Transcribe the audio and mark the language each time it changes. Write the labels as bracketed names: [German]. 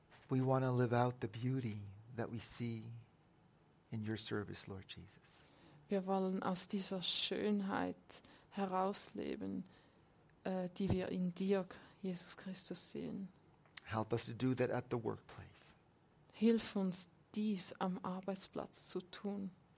[English] We want to live out the beauty that we see in your service, Lord Jesus. [German] Wir wollen aus dieser Schönheit herausleben, die wir in dir, Jesus Christus, sehen. [English] Help us to do that at the workplace. [German] Hilf uns, dies am Arbeitsplatz zu tun.